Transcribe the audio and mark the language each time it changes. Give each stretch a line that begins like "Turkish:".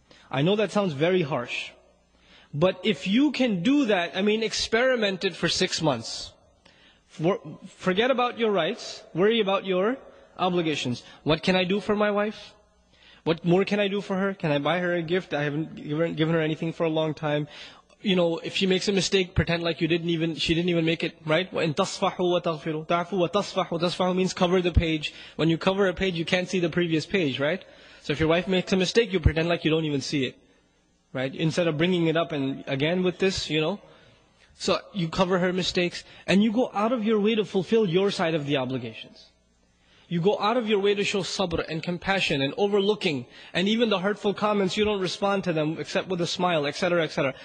English: I know that sounds very harsh, but if you can do that, I mean, experiment it for 6 months. Forget about your rights, worry about your obligations. What can I do for my wife? What more can I do for her? Can I buy her a gift? I haven't given her anything for a long time. You know, if she makes a mistake, pretend like she didn't even make it, right?
Arabic: وَإِن تَصْفَحُوا وَتَغْفِرُوا تَعْفُوا وَتَصْفَحُوا تَصْفَحُوا
English: means cover the page. When you cover a page, you can't see the previous page, right? So if your wife makes a mistake, you pretend like you don't even see it, right? Instead of bringing it up and again with this, you know? So you cover her mistakes and you go out of your way to fulfill your side of the obligations. You go out of your way to show sabr and compassion and overlooking and even the hurtful comments, you don't respond to them except with a smile, etc., etc.